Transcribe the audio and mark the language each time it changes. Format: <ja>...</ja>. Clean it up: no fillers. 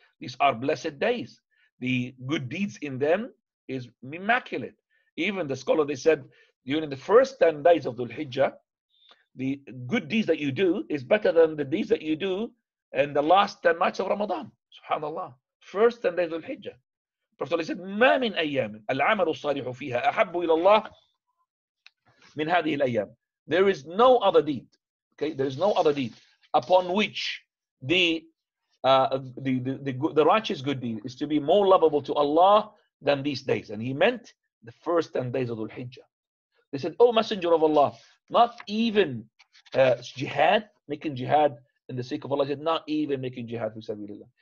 <en>These are blessed days. The good deeds in them is immaculate. Even the scholar, they said, during the first 10 days of Dhul-Hijjah, the good deeds that you do is better than the deeds that you do in the last 10 nights of Ramadan. Subhanallah. First 10 days of Dhul-Hijjah. Prophet said,</en> <ar>مَا مِنْ أَيَّامٍ الْعَمَلُ الصَّالِحُ فِيهَا أَحَبُّ إِلَى اللَّهِ مِنْ هَذِهِ الْأَيَّامِ.</ar> <en>There is no other deed. Okay, there is no other deed upon which the righteous good deed is to be more lovable to Allah than these days. And he meant the first 10 days of Dhul-Hijjah. They said, oh, Messenger of Allah, not even jihad, making jihad in the sake of Allah. He said, not even making jihad fi sabilillah.</en>